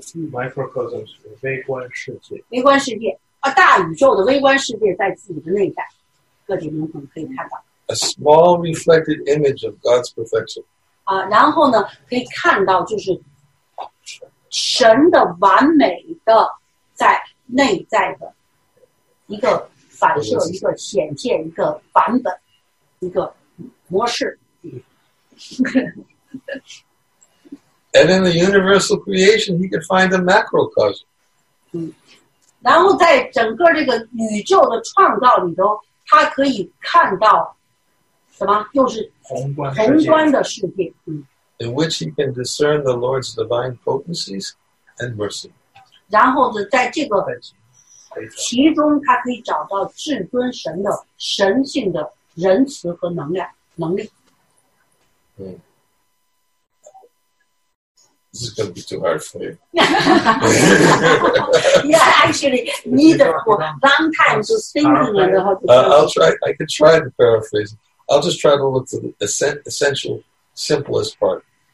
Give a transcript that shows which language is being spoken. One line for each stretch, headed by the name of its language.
Chinese: Microcosms, 微观世界。微观世界啊，大宇宙的微观世界在自己的内在，个体灵魂可以看到。
English: A small reflected image of God's perfection.
Chinese: 然后呢，可以看到就是神的完美的在内在的。一个反射，一个显现，一个版本，一个模式。
English: And in the universal creation, he could find a macrocosm.
Chinese: 然后在整个这个宇宙的创造里头，他可以看到什么？又是宏观的世界。
English: in which he can discern the Lord's divine potencies and mercy.
Chinese: 然后在这个其中，他可以找到至尊神的神性的仁慈和能力。
English: This is going to be too hard for you. Yeah, actually, neither for long time to thinking and how to. I can try to paraphrase. I'll just try to look to the essential, simplest part.